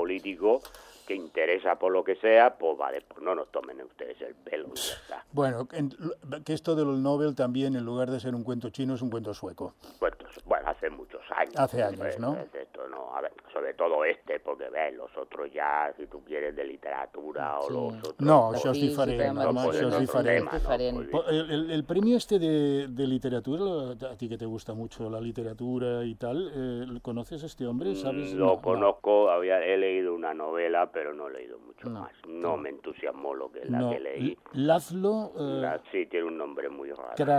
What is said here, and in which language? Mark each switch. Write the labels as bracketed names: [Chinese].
[Spanish] Político que interesa por lo que sea, pues vale, pues no nos tomen ustedes el pelo. Ya está. Bueno, que esto del Nobel también, en lugar de ser un cuento chino, es un cuento sueco. Bueno, hace muchos años. Hace años, ¿no? Esto, ¿no? A ver, sobre todo este, porque ves, los otros ya, si tú quieres, de literatura o los otros... [Catalan] No, això és diferent, això és diferent. [Spanish] El premi este de literatura, a ti que te gusta mucho la literatura y tal, ¿conoces este hombre? ¿Sabes? Lo conozco, he leído una novela, pero no he leído mucho más. No me entusiasmó lo que la que leí. Lazlo... Sí, tiene un nombre muy raro.